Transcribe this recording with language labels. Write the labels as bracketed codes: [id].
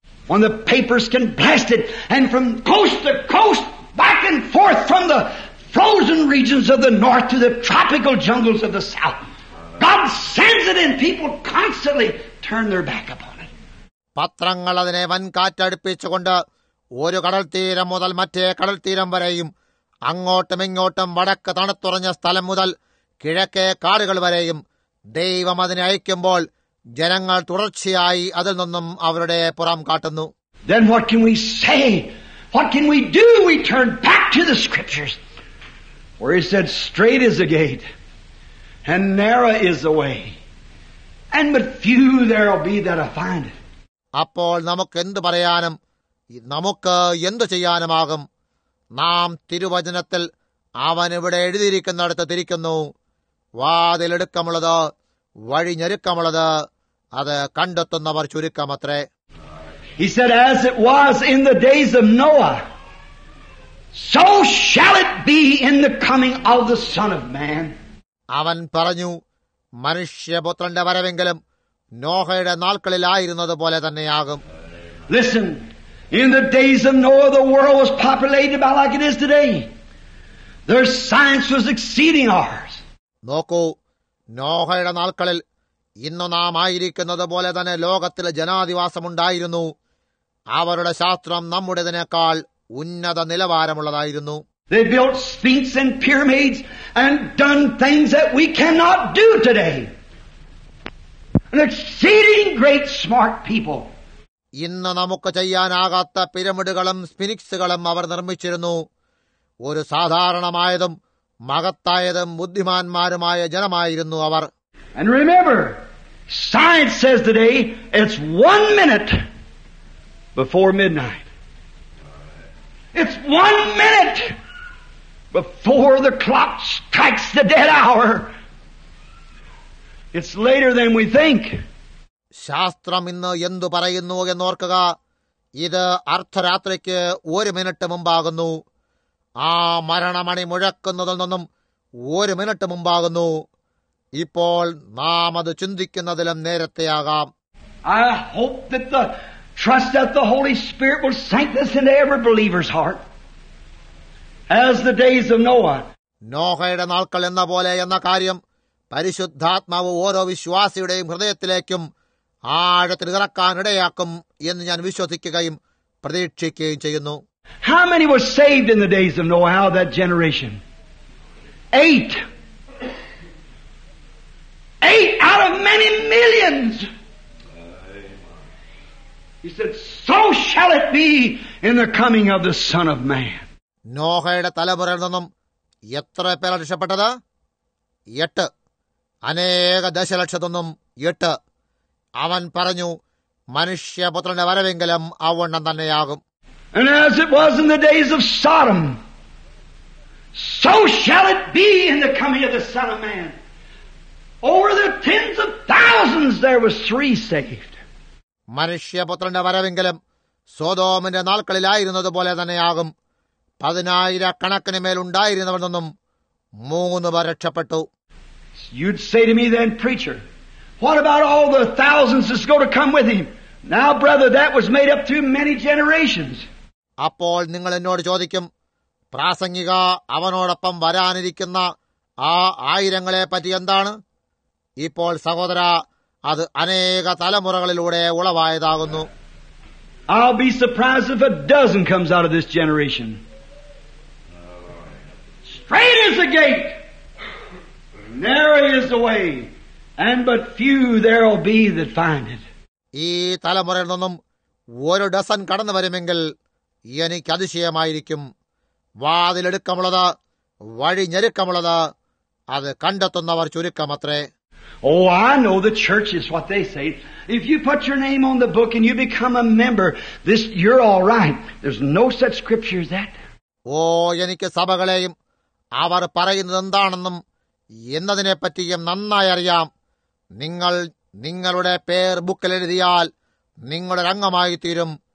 [en] when the papers can blast it, and from coast to coast, back and forth, from the frozen regions of the north to the tropical jungles of the south. God sends it, and people constantly turn their back upon it. [ml] പത്രങ്ങൾ അതിനെ വൻകാറ്റടുപ്പിച്ചുകൊണ്ട് ഒരു കടൽത്തീരം മുതൽ മറ്റേ കടൽത്തീരം വരെയും അങ്ങോട്ടും ഇങ്ങോട്ടും വടക്ക് തണുത്തുറഞ്ഞ സ്ഥലം മുതൽ കിഴക്കേ കാടുകൾ വരെയും ദൈവം അതിനെ അയക്കുമ്പോൾ ജനങ്ങൾ തുടർച്ചയായി അതിൽ നിന്നും അവരുടെ പുറം കാട്ടുന്നു. [en] Then what can we say? What can we do? We turn back to the scriptures where he said, straight is the gate and narrow is the way and but few there will be that I find it. [ml] അപ്പോൾ നമുക്ക് എന്തു പറയാനും നമുക്ക് എന്തു ചെയ്യാനുമാകും? നാം തിരുവചനത്തിൽ അവനിവിടെ എഴുതിയിരിക്കുന്നിടത്ത് തിരിക്കുന്നു, വാതിലെടുക്കമുള്ളത് വഴി ഞെരുക്കമുള്ളത്, അത് കണ്ടെത്തുന്നവർ ചുരുക്കമത്രേ. [en] He said, as it was in the days of Noah, so shall it be in the coming of the Son of Man. [ml] അവൻ പറഞ്ഞു, മനുഷ്യപുത്രന്റെ വരവെങ്കിലും നോഹയുടെ നാൾക്കളിലായിരുന്നതുപോലെ തന്നെയാകും. [en] Listen, in the days of Noah, the world was populated about like it is today. Their science was exceeding ours. [ml] നോക്കൂ, നോഹയുടെ നാൾക്കളിൽ ഇന്ന് നാം ആയിരിക്കുന്നതുപോലെ തന്നെ ലോകത്തിൽ ജനാധിവാസമുണ്ടായിരുന്നു. അവരുടെ ശാസ്ത്രം നമ്മുടേതിനേക്കാൾ ഉന്നത നിലവാരമുള്ളതായിരുന്നു. [en] They built sphinx and pyramids and done things that we cannot do today. An exceeding great smart people. [ml] ഇന്ന് നമുക്ക് ചെയ്യാനാകാത്ത പിരമിഡുകളും സ്ഫിനിക്സുകളും അവർ നിർമ്മിച്ചിരുന്നു. ഒരു സാധാരണമായതും മഹത്തായതും ബുദ്ധിമാന്മാരുമായ ജനമായിരുന്നു അവർ. [en] And remember, science says today it's 1 minute before midnight. It's 1 minute before the clock strikes the dead hour. It's later than we think. [ml] ശാസ്ത്രം ഇന്ന് എന്തു പറയുന്നു എന്നോർക്കുക, ഇത് അർദ്ധരാത്രിക്ക് 1 minute മുമ്പാകുന്നു. ആ മരണമണി മുഴക്കുന്നതിൽ നിന്നും 1 മിനിറ്റ് മുമ്പാകുന്നു. ഇപ്പോൾ നാം അത് ചിന്തിക്കുന്നതിലും നേരത്തെയാകാം. [en] I hope that the trust that the Holy Spirit will sink this into every believer's heart as the days of Noah. [ml] നോഹയുടെ നാൾക്കൾ എന്ന പോലെ എന്ന കാര്യം പരിശുദ്ധാത്മാവ് ഓരോ വിശ്വാസിയുടെയും ഹൃദയത്തിലേക്കും ആഴത്തിൽ ഇറക്കാനിടയാക്കും എന്ന് ഞാൻ വിശ്വസിക്കുകയും പ്രതീക്ഷിക്കുകയും ചെയ്യുന്നു. [en] How many were saved in the days of Noah? How that generation? 8. 8 out of many millions. He said, so shall it be in the coming of the Son of Man. [ml] നോഹയുടെ തലമുറയിൽ നിന്നും എത്ര പേർ രക്ഷപ്പെട്ടത്? 8. അനേക ദശലക്ഷത്തൊന്നും 8. അവൻ പറഞ്ഞു, മനുഷ്യപുത്രന്റെ വരവെങ്കിലും അവണ്ണം തന്നെയാകും. [en] And as it was in the days of Sodom, so shall it be in the coming of the Son of Man. Over the tens of thousands there were 3 saved. [ml] മനുഷ്യപുത്രന്റെ വരവെങ്കിലും സൊദോമിന്റെ നാൾക്കളിലായിരുന്നതുപോലെ തന്നെയാകും. 10,000 മേൽ ഉണ്ടായിരുന്നവർ നിന്നും 3 പേർ രക്ഷപ്പെട്ടു. [en] You'd say to me then, preacher, what about all the thousands that's going to come with him? Now, brother, that was made up through many generations. [ml] അപ്പോൾ നിങ്ങൾ എന്നോട് ചോദിക്കും, പ്രാസംഗിക അവനോടൊപ്പം വരാനിരിക്കുന്ന ആ ആയിരങ്ങളെ പറ്റി എന്താണ്? ഇപ്പോൾ സഹോദര, അത് അനേക തലമുറകളിലൂടെ ഉളവായതാകുന്നു. [en] I'll be surprised if a dozen comes out of this generation. Straight is the gate, narrow is the way, and but few there will be that find it. [ml] ഈ തലമുറയിൽ നിന്നും 1 ഡസൻ കടന്നു വരുമെങ്കിൽ എനിക്ക് അതിശയമായിരിക്കും. വാതിലെടുക്കമുള്ളത് വഴി ഞെരുക്കമുള്ളത്, അത് കണ്ടെത്തുന്നവർ ചുരുക്കമത്രേ. [en] Oh, I know the church is what they say. If you put your name on the book and you become a member, this you're all right. There's no such scripture as that. [ml] ഓ, എനിക്ക് സഭകളെയും അവർ പറയുന്നത് എന്താണെന്നും എന്നതിനെ പറ്റിയും നന്നായി അറിയാം. നിങ്ങൾ നിങ്ങളുടെ പേർ ബുക്കിൽ എഴുതിയാൽ നിങ്ങളുടെ അംഗമായി തീരും.